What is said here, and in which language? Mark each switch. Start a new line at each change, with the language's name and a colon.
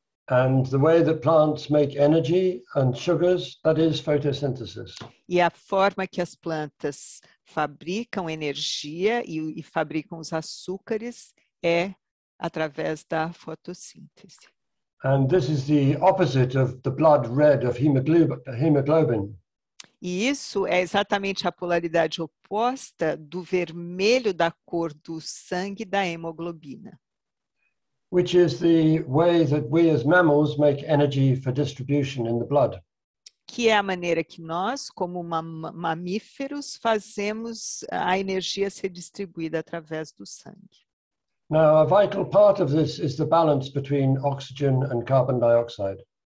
English: And the way that plants make energy and sugars, that is photosynthesis.
Portuguese: E a forma que as plantas fabricam energia e fabricam os açúcares é através da fotossíntese.
English: And this is the opposite of the blood red of hemoglobin.
Portuguese: E isso é exatamente a polaridade oposta do vermelho da cor do sangue da hemoglobina.
English: Which is the way that we as mammals make energy for distribution in the blood.
Portuguese: Que é a maneira que nós, como mamíferos, fazemos a energia ser distribuída através do sangue.
English: Now, a vital part of this is the balance between oxygen and carbon dioxide.